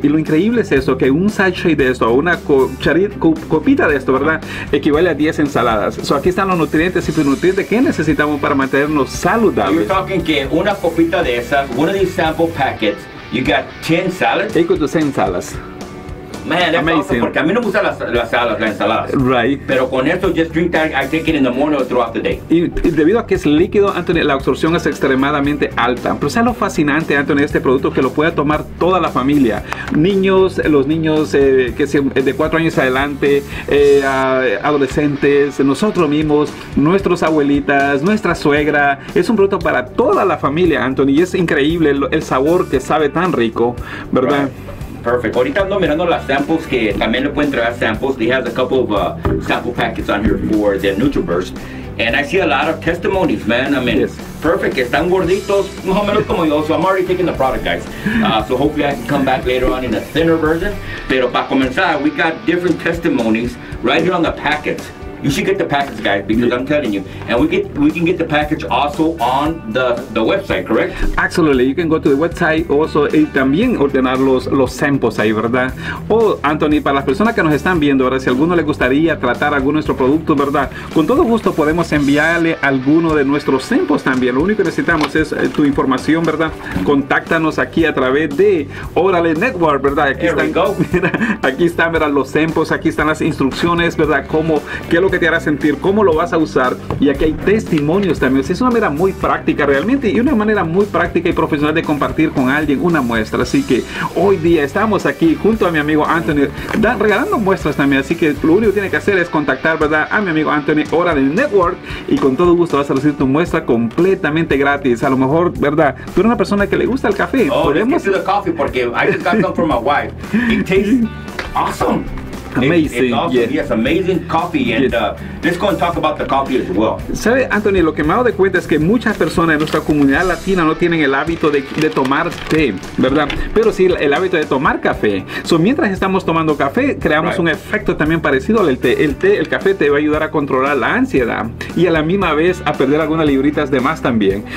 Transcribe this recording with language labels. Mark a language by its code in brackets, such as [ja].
[es] Y lo increíble es eso, que un sachet de esto, una copita de esto, ¿verdad? Equivale a 10 ensaladas. So, aquí están los nutrientes y los nutrientes que necesitamos para mantenernos saludables. [en] You're talking [es] que una copita de esas, [en] one of these sample packets, you got 10 salads? Equal to 10 salads. Man, that's amazing. [es] Awesome, porque a mí no me gusta las ensaladas. [en] Right. [es] Pero con esto, [en] just drink that, I take it in the morning or throughout the day. [es] Y debido a que es líquido, Anthony, la absorción es extremadamente alta. Pero sea lo fascinante, Anthony, este producto, que lo pueda tomar toda la familia. Niños, los niños que sean de 4 años adelante, adolescentes, nosotros mismos, nuestras abuelitas, nuestra suegra. Es un producto para toda la familia, Anthony. Y es increíble el sabor que sabe tan rico, ¿verdad? [en] Right. Perfect. [es] Ahorita ando mirando las samples que también le pueden traer samples. [en] He has a couple of sample packets on here for the NutriBurst. And I see a lot of testimonies, man. I mean, yes. Perfect. [es] Están gorditos, más o menos como yo. [en] So I'm already taking the product, guys. So hopefully I can come back later on in a thinner version. [es] Pero para comenzar, [en] we got different testimonies right here on the packets. You should get the package, guys, because yeah. I'm telling you. And we can get the package also on the website, correct? Absolutely. You can go to the website also [es] y también ordenar los samples ahí, ¿verdad? O, Anthony, para las personas que nos están viendo, ahora si a alguno le gustaría tratar alguno de nuestros productos, ¿verdad? Con todo gusto podemos enviarle alguno de nuestros samples también. Lo único que necesitamos es tu información, ¿verdad? Contáctanos aquí a través de Órale Network, ¿verdad? Aquí están, [en] go. [es] Mira, aquí están, ¿verdad? Los samples, aquí están las instrucciones, ¿verdad? Cómo... qué es lo que te hará sentir, cómo lo vas a usar, y aquí hay testimonios también. O sea, es una manera muy práctica realmente, y una manera muy práctica y profesional de compartir con alguien una muestra. Así que hoy día estamos aquí junto a mi amigo Anthony, regalando muestras también. Así que lo único que tiene que hacer es contactar, ¿verdad?, a mi amigo Anthony, Órale Network, y con todo gusto vas a recibir tu muestra completamente gratis. A lo mejor, ¿verdad?, tú eres una persona que le gusta el café. [en] Oh, let's get to the coffee, porque I just got some for my wife. It tastes awesome. amazing. It's also, yeah. Yes, amazing coffee. And let's go and talk about the coffee as well. [es] ¿Sabe, Anthony? Lo que me he dado cuenta es que muchas personas en nuestra comunidad latina no tienen el hábito de tomar té, ¿verdad? Pero sí el hábito de tomar café. So, mientras estamos tomando café, creamos un efecto también parecido al té. El té, el café te va a ayudar a controlar la ansiedad y a la misma vez a perder algunas libritas de más también.